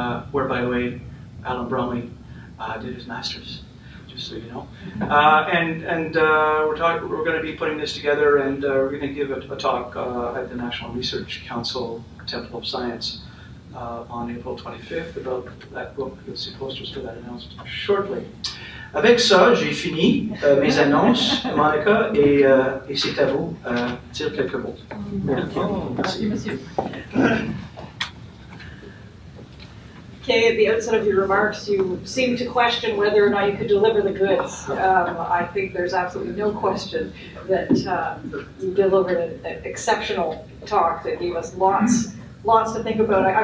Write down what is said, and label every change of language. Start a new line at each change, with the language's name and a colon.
English: Where, by the way, Alan Bromley did his master's, just so you know. We're going to be putting this together, and we're going to give a talk at the National Research Council Temple of Science on April 25th about that book. You'll see posters for that announced shortly.
French: Avec ça, j'ai fini mes annonces, Monica, et c'est à vous de dire quelques mots. Merci, monsieur.
English: Kay, at the outset of your remarks, you seem to question whether or not you could deliver the goods. I think there's absolutely no question that you delivered an exceptional talk that gave us lots to think about.